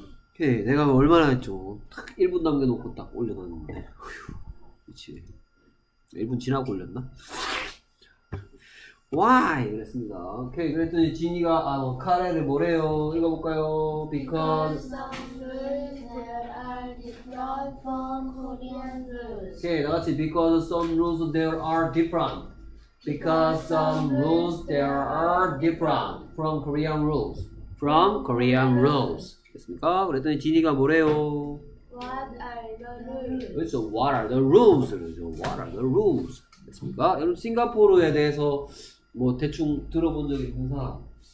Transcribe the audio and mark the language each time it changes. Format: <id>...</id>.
<ko>오케이, 내가 얼마나 했죠? 딱 1분 남겨놓고 딱 올려놨는데. 휴, 그치. 1분 지나고 올렸나?</ko> <en>Why?</en> <ko>그랬습니다. 오케이, 그랬더니 지니가 카레를 뭐래요? 읽어볼까요?</ko> <en>Because some roots there are different from Korean roots.</en> <ko>오케이, 나같이</ko> <en>Because some roots there are different. Because some roots there are different from Korean roots. From Korean roots.</en> <ko>됐습니까? 그랬더니 지니가 뭐래요?</ko> <en>What are the rules?</en> <ko>그렇죠.</ko> <en>What are the rules? 그렇죠. What are the rules?</en> <ko>됐습니까? 여러분 싱가포르에 대해서 뭐 대충 들어본 적 있는 사람?</ko>